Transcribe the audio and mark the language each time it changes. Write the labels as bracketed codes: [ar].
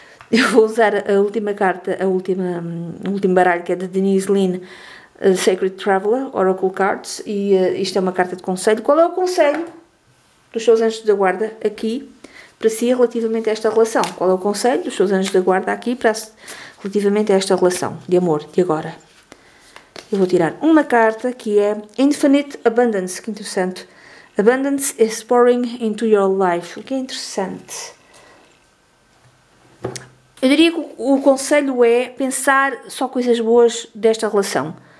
[pt] Eu vou usar a última carta, o último baralho, que é de Denise Lynn. Sacred Traveler, Oracle Cards. E isto é uma carta de conselho. Qual é o conselho dos seus anjos da guarda aqui para si relativamente a esta relação? Qual é o conselho dos seus anjos da guarda aqui para si, relativamente a esta relação de amor de agora? Eu vou tirar uma carta que é Infinite Abundance. Que interessante. [en] Abundance is pouring into your life. [pt] Que é interessante. Eu diria que o conselho é pensar só coisas boas desta relação.